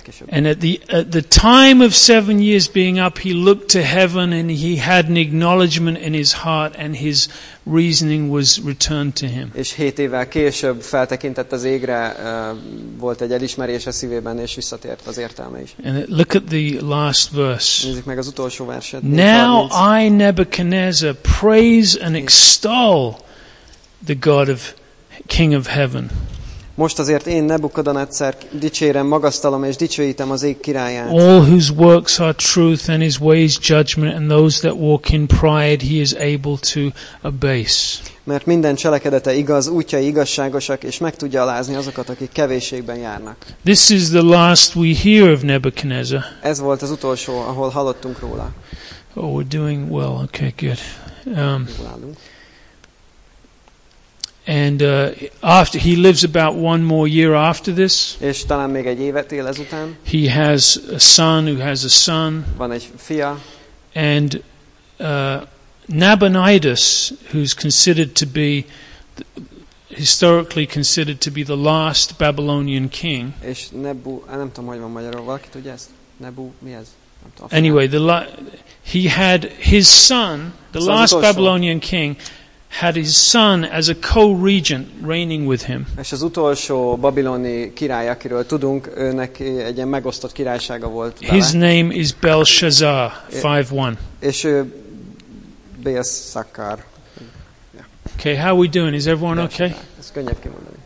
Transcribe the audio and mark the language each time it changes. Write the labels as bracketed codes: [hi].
[en] And at the time of 7 years being up, he looked to heaven and he had an acknowledgement in his heart and his reasoning was returned to him. [hu] És 7 évvel később feltekintett az égre, volt egy elismerés a szívében, és visszatért az értelme is. [en] And look at the last verse. [hu] Nézzük meg az utolsó verset. [en] Now I, Nebuchadnezzar, praise and extol the God of King of Heaven. [hu] Most azért én Nebukadnezar dicsérem, magasztalom és dicsőítem az ég királyát. [en] All whose works are truth and his ways judgment and those that walk in pride he is able to abase. [hu] Mert minden cselekedete igaz, útjai igazságosak és meg tudja alázni azokat, akik kevésségben járnak. [en] This is the last we hear of Nebuchadnezzar. [hu] Ez volt az utolsó, ahol hallottunk róla. [en] Oh, we're doing well. Okay, good. And after he lives about one more year after this. [hu] És talán még egy évet él ezután. [en] He has a son who has a son. [hu] Van egy fia. [en] And Nabonidus, who's considered to be historically considered to be the last Babylonian king. [hu] És Nebu, nem tudom, hogy van magyarul, valaki tudja ezt? Nebu, mi ez? [en] Anyway, he had his son, the last Babylonian king. had his son as a co-regent reigning with him. [hu] És az utolsó babiloni király, akiről tudunk, őnek egy ilyen megosztott királysága volt. [en] His name is Belshazzar, 5-1. [hu] És ő Belshazzar. [en] Okay, how are we doing? Is everyone okay? [hu] Ezt könnyebb kimondani.